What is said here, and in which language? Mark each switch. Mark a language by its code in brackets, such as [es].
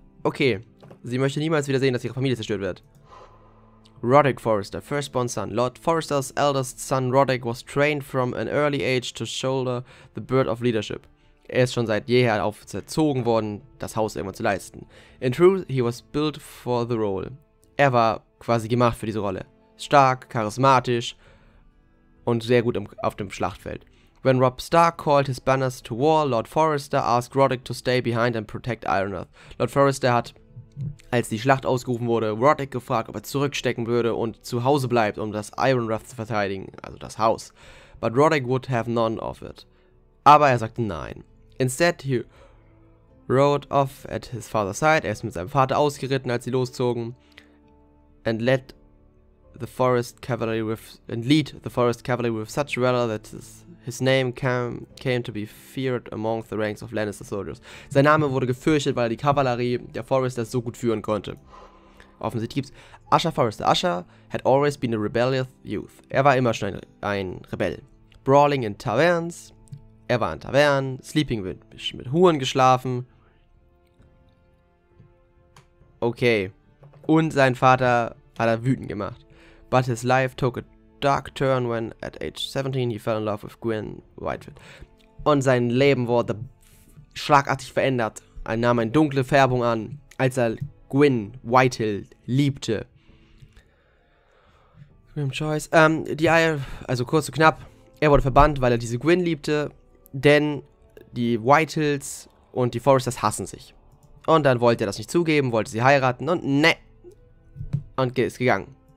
[de] Okay, sie möchte niemals wieder sehen, dass ihre Familie zerstört wird. Roderick Forrester, [en] firstborn son. Lord Forrester's eldest son Roderick was trained from an early age to shoulder the burden of leadership. [de] Er ist schon seit jeher aufgezogen worden, das Haus irgendwann zu leisten. [en] In truth, he was built for the role. [de] Er war quasi gemacht für diese Rolle. Stark, charismatisch und sehr gut auf dem Schlachtfeld. [en] When Robb Stark called his banners to war, Lord Forrester asked Roderick to stay behind and protect Ironworth. [de] Lord Forrester hat, als die Schlacht ausgerufen wurde, Roderick gefragt, ob er zurückstecken würde und zu Hause bleibt, um das Ironworth zu verteidigen, also das Haus. [en] But Roderick would have none of it. [de] Aber er sagte nein. [en] Instead, he rode off at his father's side. [de] Er ist mit seinem Vater ausgeritten, als sie loszogen. [en] And led the forest cavalry with such valor that his name came to be feared among the ranks of Lannister soldiers. [de] Sein Name wurde gefürchtet, weil er die Kavallerie der Forrester so gut führen konnte. Offensichtlich gibt's Asha Forrester. [en] Asha had always been a rebellious youth. [de] Er war immer schon ein Rebell. [en] Brawling in taverns. [de] Er war in Tavernen. Sleeping mit Huren geschlafen. Okay. Und sein Vater hat er wütend gemacht. [en] But his life took a dark turn when at age 17 he fell in love with Gwyn Whitefield. [de] Und sein Leben wurde schlagartig verändert. Er nahm eine dunkle Färbung an, als er Gwyn Whitehill liebte. Grim Choice. Also kurz und knapp. Er wurde verbannt, weil er diese Gwyn liebte. Denn die Whitehills und die Forresters hassen sich. Und dann wollte er das nicht zugeben, wollte sie heiraten und ne. Und ist gegangen.